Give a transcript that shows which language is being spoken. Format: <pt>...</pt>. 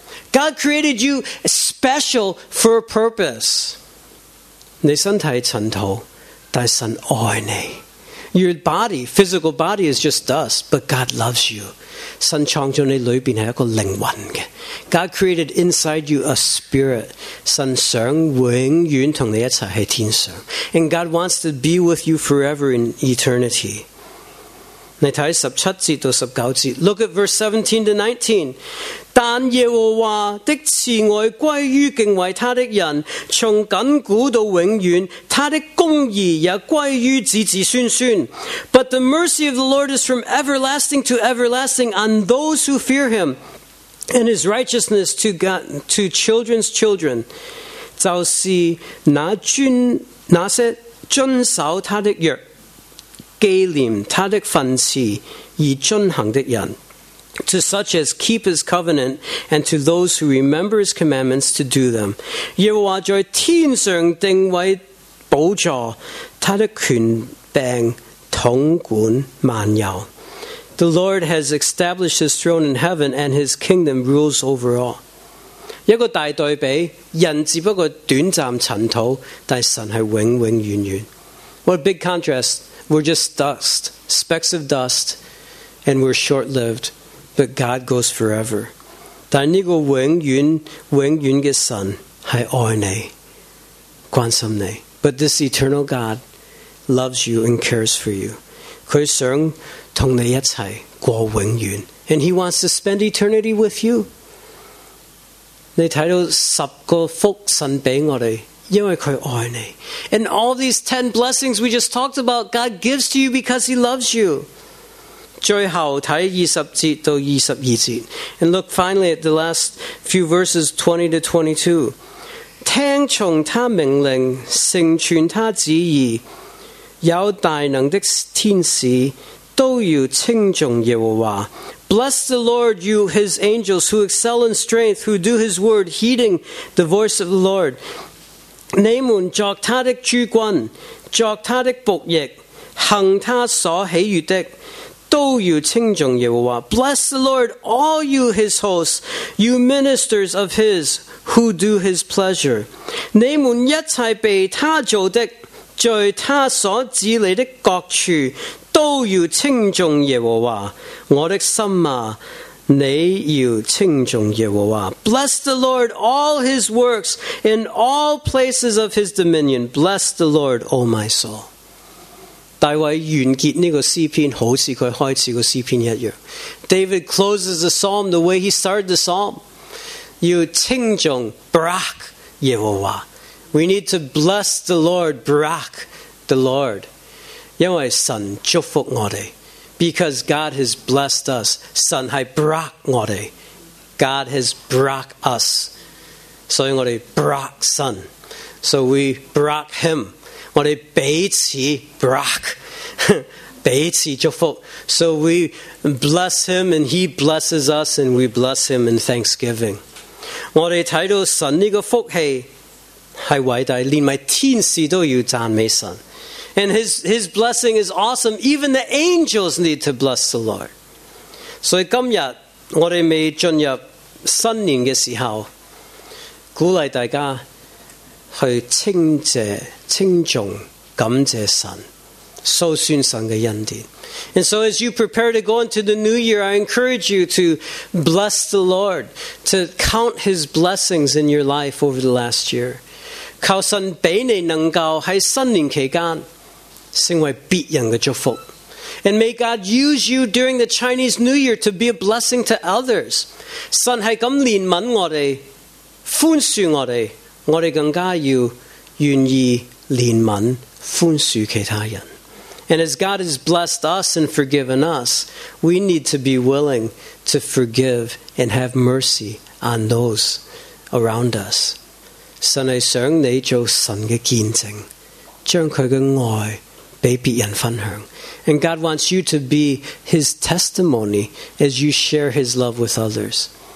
<en>God created you special for a purpose.</en> <yue>你身体尘土，但神爱你。</yue> <en>Your body, physical body is just dust, but God loves you.</en> <yue>神创造你里面是一个灵魂的。</yue> <en>God created inside you a spirit.</en> <yue>神想永远同你一起在天上。</yue> <en>And God wants to be with you forever in eternity.</en> <yue>你睇十七节到十九节</yue> <en>，Look at verse 17 to 19。</en> <yue>但耶和华的慈爱归于敬畏他的人，从紧古到永远，他的公义也归于子子孙孙。</yue> <en>But the mercy of the Lord is from everlasting to everlasting on those who fear Him, and His righteousness to God, to children's children。</en> <yue>就是那些遵守他的约。纪念他的训示而遵行的人</yue> <en>To such as keep his covenant and to those who remember his commandments to do them.</en> <yue>耶和华在天上定位宝座，他的权柄统管万有。</yue> <en>The Lord has established his throne in heaven and his kingdom rules over all.</en> <yue>一个大对比，人只不过短暂尘土，但神是永永远远。</yue> <en>What a big contrast. We're just dust, specks of dust, and we're short-lived, but God goes forever.</en> <yue>但呢个永远永远嘅神系爱你，关心你。</yue> <en>But this eternal God loves you and cares for you.</en> <yue>佢想同你一齐过永远</yue> <en>，and He wants to spend eternity with you.</en> <yue>你睇到十个福神俾我哋。因为他爱你。</yue> <en>And all these 10 blessings we just talked about, God gives to you because He loves you.</en> <yue>最后睇二十节到二十二节</yue> <en>，and look finally at the last few verses 20 to 22。</en> <yue>听从他命令，成全他旨意，有大能的天使都要称颂耶和华。</yue> <en>Bless the Lord, you his angels who excel in strength, who do his word, heeding the voice of the Lord.</en> <yue>你们作他的诸君，作他的仆役，行他所喜悦的，都要称颂耶和华。</yue> <en>Bless the Lord, all you his hosts, you ministers of his, who do his pleasure.</en> <yue>你们一切被他造的，在他所治理的各处，都要称颂耶和华。我的心啊，你要称颂耶和华。</yue> <en>Bless the Lord, all his works, in all places of his dominion. Bless the Lord, O my soul.</en> <yue>大卫完结这个诗篇好似他开始的诗篇一样。</yue> <en>David closes the psalm the way he started the psalm.</en> <yue>要称颂</yue> <en>Barak, Yehovah. We need to bless the Lord, Barak, the Lord.</en> <yue>因为神祝福我们。</yue> <en>Because God has blessed us,</en> <yue>神是 Barak 我们。</yue> <en>God has Barak us.</en> <yue>所以我们</yue> <en>Barak 神。 So we Barak him.</en> <yue>我们彼此 Barak, 彼此祝福。</yue> <en>So we bless him and he blesses us and we bless him in thanksgiving.</en> <yue>我们看到神这个福气是伟大，连我天使都要赞美神。</yue> <en>And his blessing is awesome. Even the angels need to bless the Lord.</en> <yue>所以今天我们未进入新年的时候，鼓励大家去称谢、称颂、感谢神，数算神的恩典。</yue> <en>And so as you prepare to go into the new year, I encourage you to bless the Lord, to count his blessings in your life over the last year.</en> <yue>靠神俾你能够在新年期间成为别人的祝福。</yue> <en>And may God use you during the Chinese New Year to be a blessing to others.</en> <yue>神是这么怜悯我们，宽恕我们，我们更加要愿意怜悯宽恕其他人。</yue> <en>And as God has blessed us and forgiven us, we need to be willing to forgive and have mercy on those around us.</en> <yue>神是想你做神的见证，将他的爱给别人分享。</yue> <en>And God wants you to be his testimony as you share his love with others.</en>